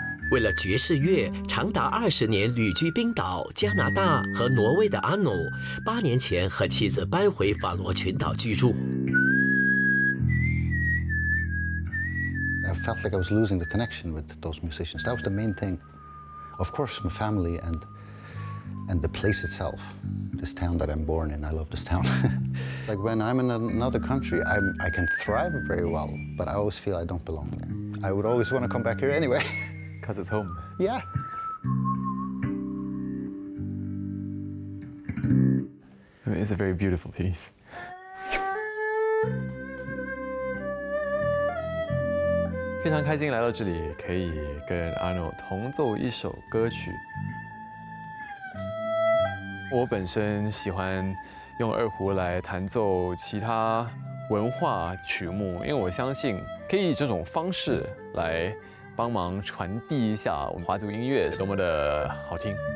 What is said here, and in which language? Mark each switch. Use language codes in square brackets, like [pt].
[zh] For 爵士乐，长达20年旅居冰岛、加拿大和挪威的阿努，8年前和妻子搬回法罗群岛居住。 [en] I felt like I was losing the connection with those musicians. That was the main thing. Of course, my family and the place itself, this town that I'm born in, I love this town. Like when I'm in another country, I can thrive very well, but I always feel I don't belong there. I would always want to come back here anyway. Because it's home. Yeah. I mean, it's a very beautiful piece. I'm very happy to come here, I can sing with Arno a song. [zh] 我本身喜欢用二胡来弹奏其他文化曲目，因为我相信可以以这种方式来帮忙传递一下我们华族音乐多么的好听。